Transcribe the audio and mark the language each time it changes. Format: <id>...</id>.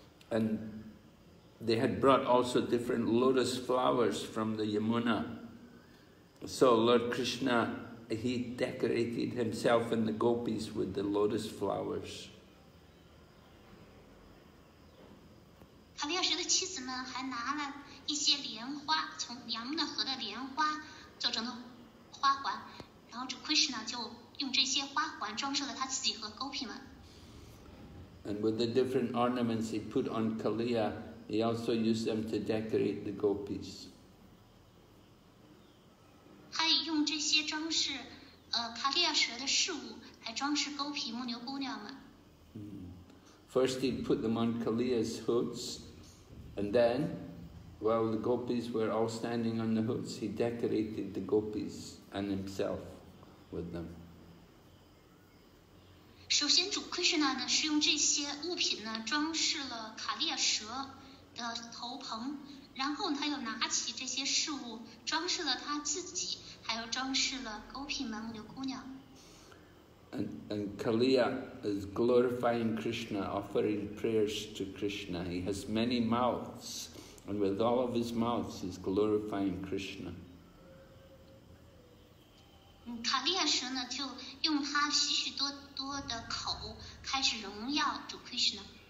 <en>And they had brought also different lotus flowers from the Yamuna. So Lord Krishna, he decorated himself and the gopis with the lotus flowers.</en> <zh>卡利亚蛇的妻子们还拿了一些莲花，从杨木那河的莲花做成的花环，然后主 Krishna 就用这些花环装饰了他自己和 Gopi 们。</zh> <en>And with the different ornaments he put on Kaliya, he also used them to decorate the Gopis.</en> <zh>还用这些装饰，卡利亚蛇的饰物来装饰 Gopi 牧牛姑娘们。</zh> <en>First he put them on Kaliya's hoods, and then, while the gopis were all standing on the hoods, he decorated the gopis and himself with them.</en> <zh>首先主 Krishna 呢是用这些物品呢装饰了卡利亚蛇的头棚，然后他又拿起这些饰物装饰了他自己，还有装饰了 Gopi 们牛姑娘。</zh> <en>And Kaliya is glorifying Krishna, offering prayers to Krishna. He has many mouths, and with all of his mouths, he's glorifying Krishna.</en> <zh>Kaliya 蛇呢就用他许许多多的口开始荣耀主 Krishna.</zh>